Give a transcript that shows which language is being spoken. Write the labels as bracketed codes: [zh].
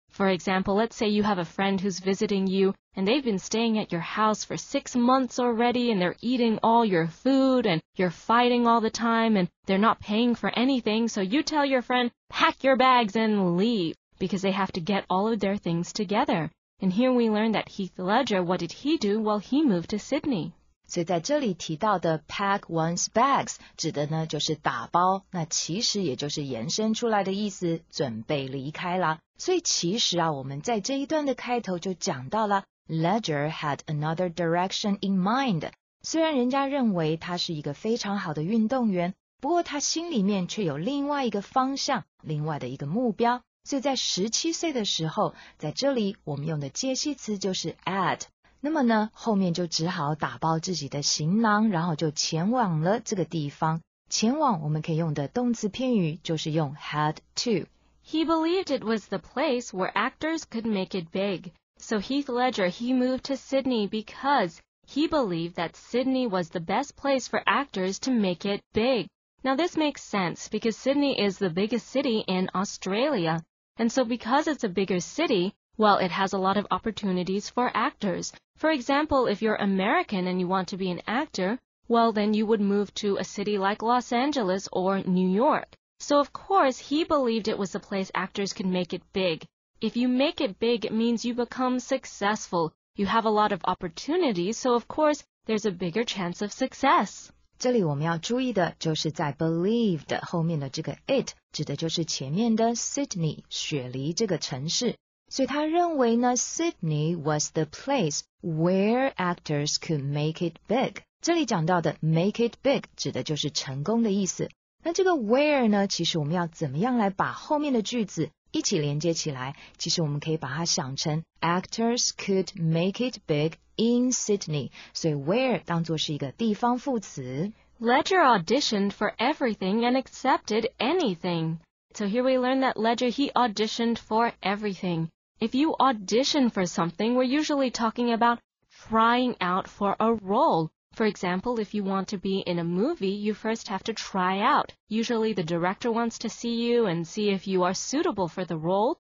[en] For example, let's say you have a friend who's visiting you and they've been staying at your house for 6 months already and they're eating all your food and you're fighting all the time and they're not paying for anything. So you tell your friend, pack your bags and leave because they have to get all of their things together. And here we learn that Heath Ledger, what did he do? Well, he moved to Sydney. [zh] 所以在这里提到的 [en] pack one's bags [zh] 指的呢就是打包，那其实也就是延伸出来的意思，准备离开了。所以其实啊，我们在这一段的开头就讲到了 [en] Ledger had another direction in mind， [zh] 虽然人家认为他是一个非常好的运动员，不过他心里面却有另外一个方向，另外的一个目标。所以在17岁的时候，在这里我们用的介系词就是 at，那么呢，后面就只好打包自己的行囊，然后就前往了这个地方。前往我们可以用的动词片语就是用 [en] head to。 He believed it was the place where actors could make it big. So Heath Ledger, he moved to Sydney because he believed that Sydney was the best place for actors to make it big. Now this makes sense because Sydney is the biggest city in Australia. And so because it's a bigger city,Well, it has a lot of opportunities for actors. For example, if you're American and you want to be an actor, well, then you would move to a city like Los Angeles or New York. So, of course, he believed it was a place actors could make it big. If you make it big, it means you become successful. You have a lot of opportunities, so, of course, there's a bigger chance of success. [zh] 这里我们要注意的就是在 believed 后面的这个 it, 指的就是前面的 Sydney, 雪梨这个城市。所以他认为呢 [en] ,Sydney was the place where actors could make it big. [zh] 这里讲到的 [en] make it big [zh] 指的就是成功的意思。那这个 where 呢，其实我们要怎么样来把后面的句子一起连接起来，其实我们可以把它想成 [en] actors could make it big in Sydney. [zh] 所以 where 当作是一个地方副词。 [en] Ledger auditioned for everything and accepted anything. So here we learn that Ledger, he auditioned for everything. If you audition for something, we're usually talking about trying out for a role. For example, if you want to be in a movie, you first have to try out. Usually the director wants to see you and see if you are suitable for the role.